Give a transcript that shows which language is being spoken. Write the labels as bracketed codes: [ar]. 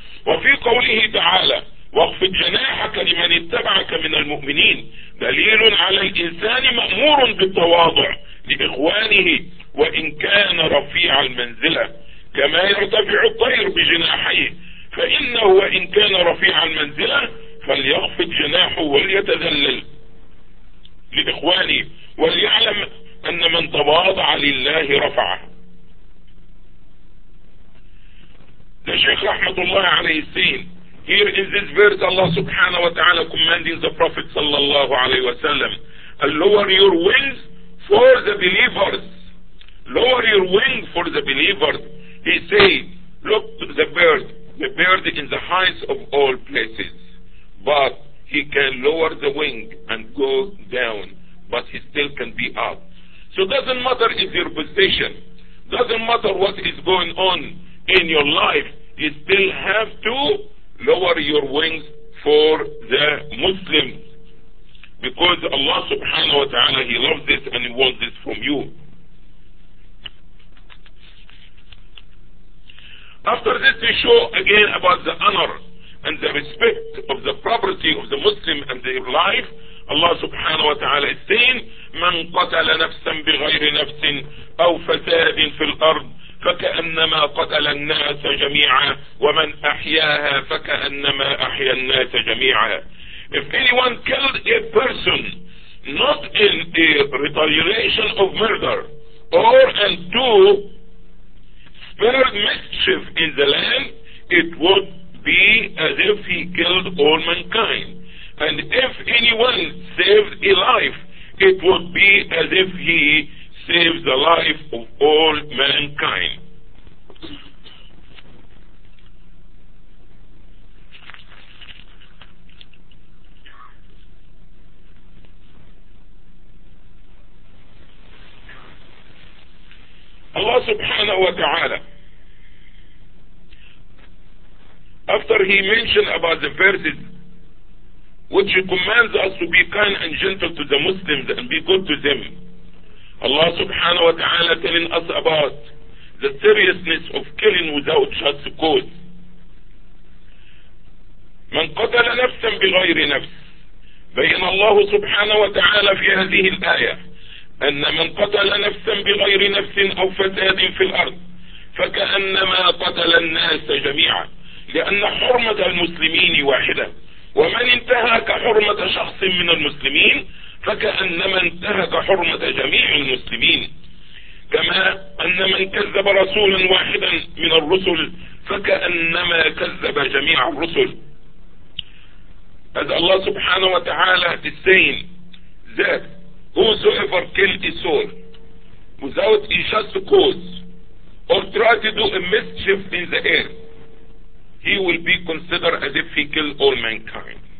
[ar] وفي قوله تعالى واخفض جناحك لمن اتبعك من المؤمنين دليل على الإنسان مأمور بالتواضع لإخوانه وإن كان رفيع المنزلة، كما يرتفع الطير بجناحيه، فإنه وإن كان رفيع المنزلة فليخفض جناحه وليتذلل لإخوانه، وليعلم أن من تواضع لله رفعه. الشيخ رحمة الله عليه السين [en] here in this verse Allah subhanahu wa ta'ala commanding the Prophet sallallahu alayhi wa sallam, lower your wings for the believers. Lower your wing for the believers. He said, look to the bird. The bird is in the heights of all places, but he can lower the wing and go down, but he still can be up. So doesn't matter if your position, doesn't matter what is going on in your life, you still have to lower your wings for the Muslims, because Allah subhanahu wa ta'ala, he loves this and he wants this from you. After this, we show again about the honor and the respect of the property of the Muslim and their life. Allah subhanahu wa ta'ala is saying, [ar] من قتل نفسا بغير نفس أو فساد في الأرض فكأنما قتل الناس جميعا ومن أحياها فكأنما أحيا الناس جميعا. [en] If anyone killed a person not in a retaliation of murder or unto spread mischief in the land, it would be as if he killed all mankind. And if anyone saved a life, it would be as if he saved the life of all mankind. Allah subhanahu wa ta'ala, after he mentioned about the verses which he commands us to be kind and gentle to the Muslims and be good to them, Allah subhanahu wa ta'ala telling us about the seriousness of killing without just cause. [ar] من قتل نفسا بغير نفس. بين الله سبحانه وتعالى في هذه الآية أن من قتل نفسا بغير نفس أو فساد في الأرض فكأنما قتل الناس جميعا، لأن حرمة المسلمين واحدة، ومن انتهك حرمة شخص من المسلمين فكأنما انتهك حرمة جميع المسلمين، كما أن من كذب رسولا واحدا من الرسل فكأنما كذب جميع الرسل. هذا الله سبحانه وتعالى تسين ذات [en] whosoever killed a soul without a just cause or tried to do a mischief in the earth, he will be considered as if he killed all mankind.